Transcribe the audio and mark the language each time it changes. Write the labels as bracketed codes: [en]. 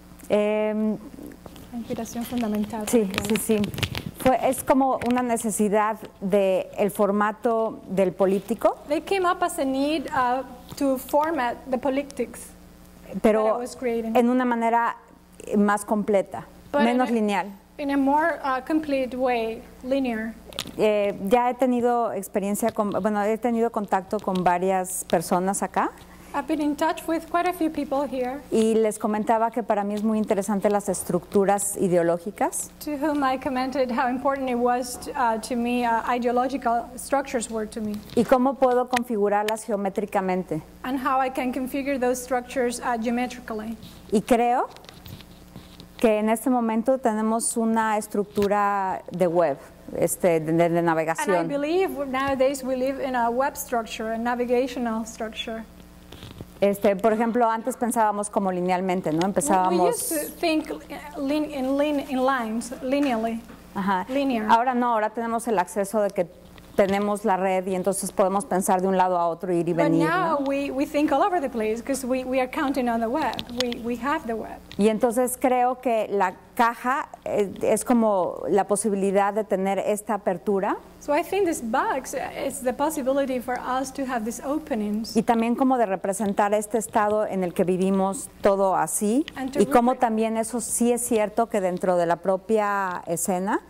[es] la inspiración fundamental. Sí, sí, sí. Es como una necesidad del formato del político. [en] They came up as a need to format the politics. [es] Pero en una manera más completa, [en] but [es] menos lineal. [en] In a more complete way, linear. [es] Ya he tenido experiencia con, bueno, he tenido contacto con varias personas acá. [en] I've been in touch with quite a few people here. [es] Y les comentaba que para mí es muy interesante las estructuras ideológicas. [en] To whom I commented how important it was to me, ideological structures were to me. [es] Y cómo puedo configurarlas geométricamente. [en] And how I can configure those structures geometrically. [es] Y creo que en este momento tenemos una estructura de web, de navegación. [en] And I believe nowadays we live in a web structure, a navigational structure. [es] Por ejemplo, antes pensábamos como linealmente, ¿no? Empezábamos. [en] We used to think in lines, linearly. Ajá. Linear. [es] Ahora no, ahora tenemos el acceso de que tenemos la red y entonces podemos pensar de un lado a otro, ir y [en] but [es] venir. [en] But now [es] ¿no? [en] we think all over the place because we are counting on the web. We have the web. [es] Y entonces creo que la caja es como la posibilidad de tener esta apertura. [en] So I think this box is the possibility for us to have these openings. [es] Y también como de representar este estado en el que vivimos todo así. Y como también eso sí es cierto que dentro de la propia escena.